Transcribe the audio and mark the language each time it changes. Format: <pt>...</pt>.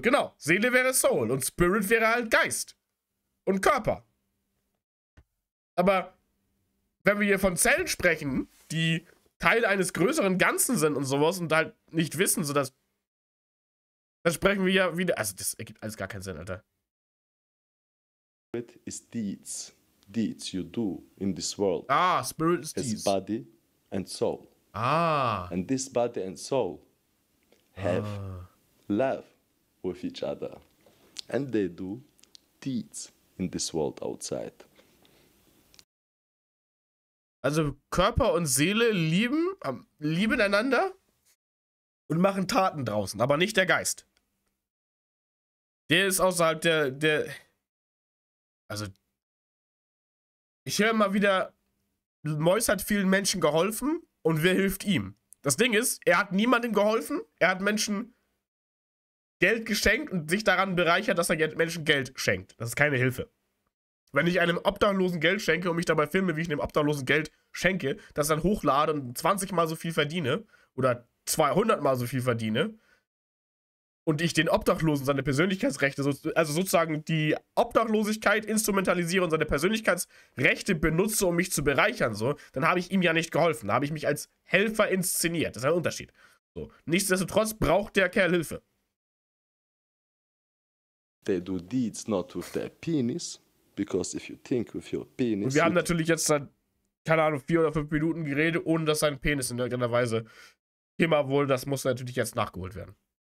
<de>Genau, Seele wäre Soul. Und Spirit wäre halt Geist. Und Körper. Aber wenn wir hier von Zellen sprechen, die Teil eines größeren Ganzen sind und sowas und halt nicht wissen, sodass das sprechen wir ja wieder. Also das ergibt alles gar keinen Sinn, Alter.</de> <en>Spirit is deeds. Deeds you do in this world. Ah, Spirit is deeds. It's body and soul. Ah. And this body and soul have love with each other. And they do deeds in this world outside.</en> <de>Also Körper und Seele lieben einander und machen Taten draußen, aber nicht der Geist. Der ist außerhalb der. Also ich höre immer wieder, Mäus hat vielen Menschen geholfen und wer hilft ihm? Das Ding ist, er hat niemandem geholfen, er hat Menschen Geld geschenkt und sich daran bereichert, dass er Menschen Geld schenkt. Das ist keine Hilfe. Wenn ich einem Obdachlosen Geld schenke und mich dabei filme, wie ich einem Obdachlosen Geld schenke, das dann hochlade und 20 Mal so viel verdiene oder 200 Mal so viel verdiene und ich den Obdachlosen seine Persönlichkeitsrechte, also sozusagen die Obdachlosigkeit instrumentalisiere und seine Persönlichkeitsrechte benutze, um mich zu bereichern, so, dann habe ich ihm ja nicht geholfen. Da habe ich mich als Helfer inszeniert. Das ist ein Unterschied. So. Nichtsdestotrotz braucht der Kerl Hilfe.</de> <en>They do deeds not with their penis. Because if you think with your penis.</en> <de>Und wir haben natürlich jetzt seit, keine Ahnung, 4 oder 5 Minuten geredet, ohne dass sein Penis in irgendeiner Weise Thema wurde. Das muss natürlich jetzt nachgeholt werden.</de>